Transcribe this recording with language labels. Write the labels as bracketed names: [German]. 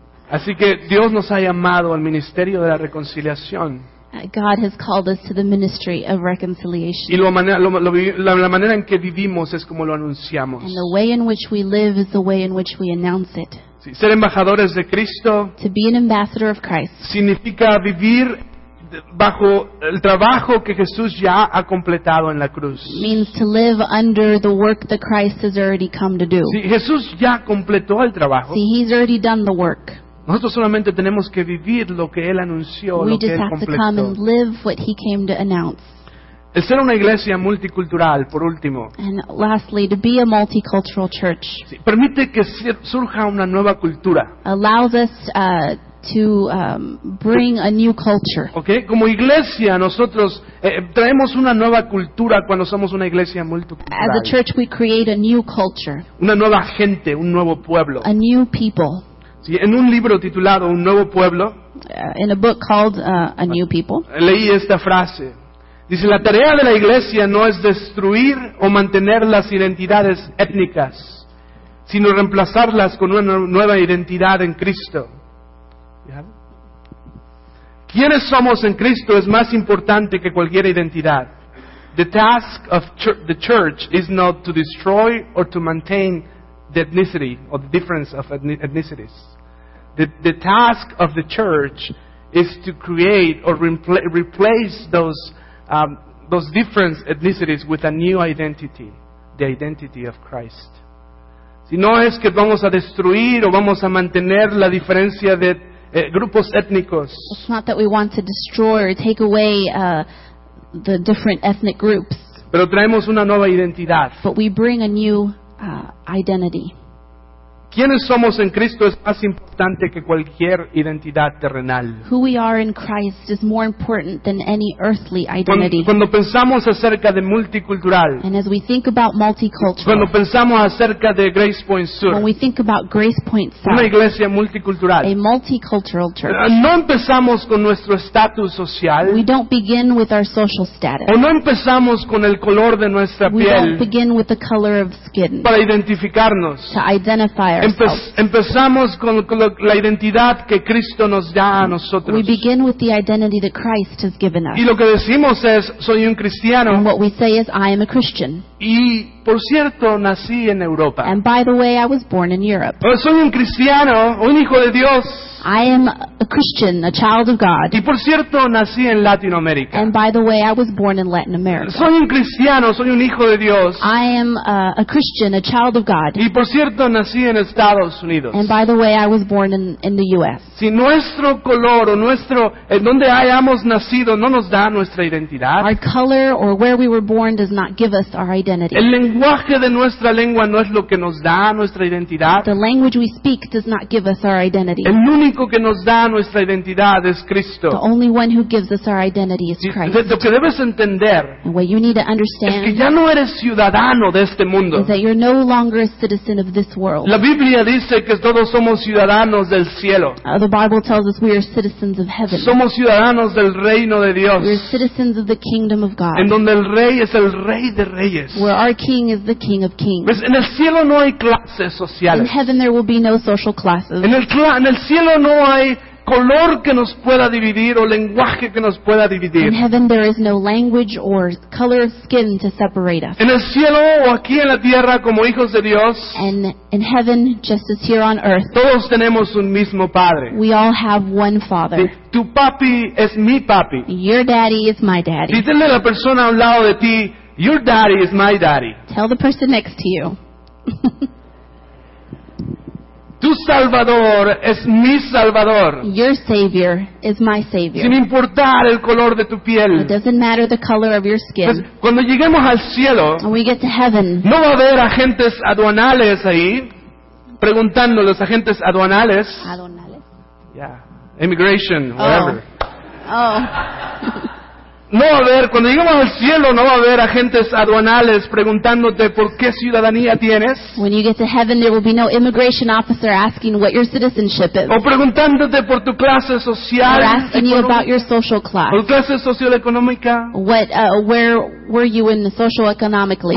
[Spanish] Así que Dios nos ha llamado al ministerio de la reconciliación. [English] God has called us to the ministry of reconciliation. [Spanish] Y la manera en que vivimos es como lo anunciamos. [English] And the way in which we live is the way in which we announce it. [Spanish] Sí, ser embajadores de Cristo, [English] to be an ambassador of Christ, [Spanish] significa vivir bajo el trabajo que Jesús ya ha completado en la cruz. [English] Means to live under the work that Christ has already come to do. [Spanish] Sí, Jesús ya completó el trabajo. [English] See, he's already done the work. [Spanish] Nosotros solamente tenemos que vivir lo que Él anunció, [English] we [Spanish] lo que Él completó. [English] We just have to come and live what He came to announce. [Spanish] El ser una iglesia multicultural, por último, [English] and lastly, to be a multicultural church, [Spanish] permite que surja una nueva cultura. [English] Allows us to bring a new culture. [Spanish] Okay, como iglesia nosotros traemos una nueva cultura cuando somos una iglesia multicultural. [English] As a church, we create a new culture. [Spanish] Una nueva gente, un nuevo pueblo. [English] A new people. [Spanish] Sí, en un libro titulado Un Nuevo Pueblo, [English] in a book called A New People, [Spanish] leí esta frase. Dice, la tarea de la iglesia no es destruir o mantener las identidades étnicas, sino reemplazarlas con una nueva identidad en Cristo. ¿Quiénes somos en Cristo es más importante que cualquier identidad? [English] The task of the church is not to destroy or to maintain the ethnicity or the difference of ethnicities. The task of the church is to create or replace those different ethnicities with a new identity, the identity of Christ. [Spanish] Si no es que vamos a destruir o vamos a mantener la diferencia de grupos étnicos. [English] It's not that we want to destroy or take away the different ethnic groups. [Spanish] Pero traemos una nueva identidad. [English] But we bring a new identity. [Spanish] ¿Quiénes somos en Cristo es más importante que cualquier identidad terrenal? [English] Who we are in Christ is more important than any earthly identity. [Spanish] Cuando pensamos acerca de multicultural. [English] And as we think about multicultural. [Spanish] Cuando pensamos acerca de Grace Point Sur. [English] When we think about Grace Point South. [Spanish] Una iglesia multicultural. [English] A multicultural church. [Spanish] No empezamos con nuestro estatus social. [English] We don't begin with our social status. [Spanish] O no empezamos con el color de nuestra piel. [English] We don't begin with the color of skin. [Spanish] Para identificarnos. [English] To identify ourselves. [Spanish] Empezamos con la identidad que Cristo nos da a nosotros. [English] We begin with the identity that Christ has given us. [Spanish] Y lo que decimos es, soy un cristiano. [English] And what we say is, I am a Christian. [Spanish] Y por cierto, nací en Europa. [English] And by the way, I was born in Europe. [Spanish] Pero soy un cristiano, un hijo de Dios. [English] I am a Christian, a child of God. [Spanish] Y por cierto, nací en Latinoamérica. [English] And by the way, I was born in Latin America. [Spanish] Soy un cristiano, soy un hijo de Dios. [English] I am a Christian, a child of God. [Spanish] Y por cierto, nací en Estados Unidos. [English] And by the way, I was born in the U.S. [Spanish] Si nuestro color o nuestro en donde hayamos nacido no nos da nuestra identidad. [English] Our color or where we were born does not give us our identity. [Spanish] El lenguaje de nuestra lengua no es lo que nos da nuestra identidad. [English] The language we speak does not give us our identity. [Spanish] El único que nos da nuestra identidad es Cristo. [English] The only one who gives us our identity is Christ. [Spanish] Lo que debes entender. [English] And what you need to understand. [Spanish] Es que ya no eres ciudadano de este mundo. [English] That you're no longer a citizen of this world. [Spanish] La Biblia dice que todos somos ciudadanos del cielo. [English] The Bible tells us we are citizens of heaven. [Spanish] Somos ciudadanos del reino de Dios. [English] We are citizens of the kingdom of God. [Spanish] En donde el rey es el rey de reyes. [English] Where our king is the king of kings. [Spanish] Pues en el cielo no hay clases sociales. [English] In heaven there will be no social classes. [Spanish] En el cielo no hay color que nos pueda dividir o lenguaje que nos pueda dividir. [English] In heaven there is no language or color of skin to separate us. [Spanish] En el cielo o aquí en la tierra como hijos de Dios. [English] And in heaven just as here on earth. [Spanish] Todos tenemos un mismo padre. [English] We all have one father. [Spanish] Tu papi es mi papi. [English] Your daddy is my daddy. [Spanish] Dile a la persona al lado de ti, [English] your daddy is my daddy. Tell the person next to you. [Spanish] Tu Salvador es mi Salvador. [English] Your Savior is my Savior. [Spanish] Sin importar el color de tu piel. [English] It doesn't matter the color of your skin. [Spanish] Pues, cuando lleguemos al cielo, [English] when we get to heaven, [Spanish] no va a haber agentes aduanales ahí, preguntando a los agentes aduanales. Aduanales. [English] Yeah. Immigration, whatever. Oh. [Spanish] No va a haber, cuando lleguemos al cielo, no va a haber agentes aduanales preguntándote por qué ciudadanía tienes. [English] When you get to heaven, there will be no immigration officer asking what your citizenship is. [Spanish] O preguntándote por tu clase social. [English] Or asking you about your social class. [Spanish] Por tu clase socioeconómica. [English] What, where were you in the social economically?